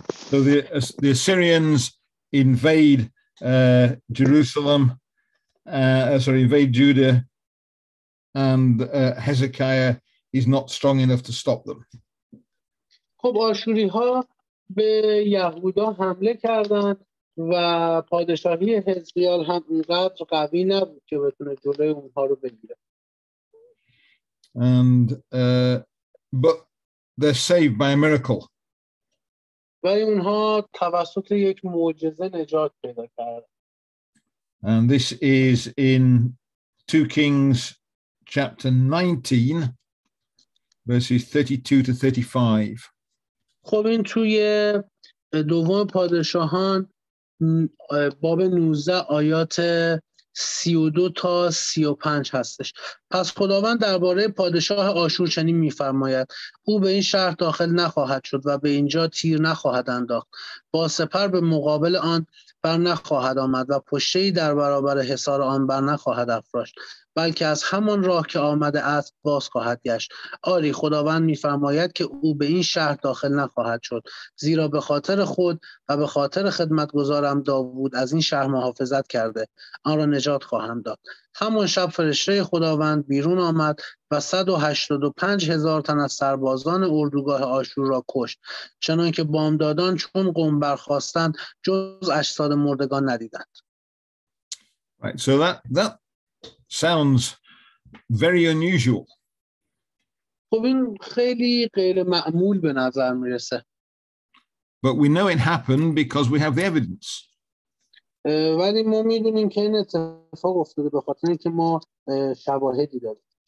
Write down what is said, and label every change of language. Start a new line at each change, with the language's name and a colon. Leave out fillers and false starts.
English: So the Assyrians invade Jerusalem, invade Judah. And Hezekiah is not strong enough to stop them.
Persian: خب آشوری ها به یهودا حمله کردند و پادشاهی حزقیال هم اونقدر قوی نبود که بتونه جلوی اونها رو بگیره.
English: And but they're saved by a miracle.
Persian: ولی اونها توسط یک معجزه نجات پیدا کردند.
English: And this is in 2 Kings Chapter 19, verses 32-35.
Persian: خب این توی دوم پادشاهان باب 19 آیات 32-35 هستش. پس خداوند درباره پادشاه آشور چنین می‌فرماید: او به این شهر داخل نخواهد شد و به اینجا تیر نخواهد انداخت. با سپر به مقابل آن بر نخواهد آمد و پشته‌ای در برابر حصار آن بر نخواهد افراشت، بلکه از همان راه که آمده است باز خواهد گشت. آری خداوند می‌فرماید که او به این شهر داخل نخواهد شد، زیرا به خاطر خود و به خاطر خدمتگزارم داوود از این شهر محافظت کرده، آن را نجات خواهم داد. همان شب فرشته خداوند بیرون آمد و 185,000 تن از سربازان اردوگاه آشور را کشت، چنان که بامدادان چون قوم برخواستند جز اجساد مردگان ندیدند.
English: Right, so that sounds very unusual.
Persian: خب این خیلی غیر معمول به نظر میرسه.
English: But we know it happened because we have the evidence.
Persian: ولی ما میدونیم که این اتفاق افتاده به خاطر اینکه ما شواهدی داریم.